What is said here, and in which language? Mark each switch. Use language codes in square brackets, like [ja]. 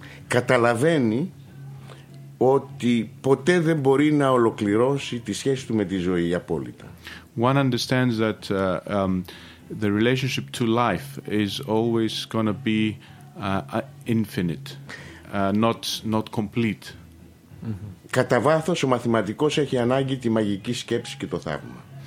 [el] καταλαβαίνει ότι ποτέ δεν μπορεί να ολοκληρώσει τη σχέση του με τη ζωή απόλυτα. [en] One understands that the relationship to life is always going to be infinite, not complete. [el] Κατά βάθος ο μαθηματικός έχει ανάγκη τη μαγική σκέψη και το θαύμα.